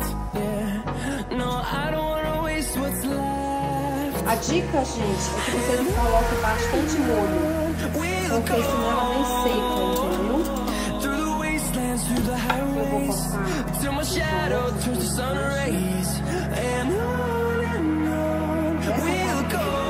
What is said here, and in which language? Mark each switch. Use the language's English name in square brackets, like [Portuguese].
[English] Yeah, no, I don't wanna waste what's left. [Portuguese] A dica, gente, é que você não coloque bastante molho, porque senão ela nem seca, entendeu? [English] Through the wastelands, through the highways, till my shadow turns to sun rays, and on we'll go.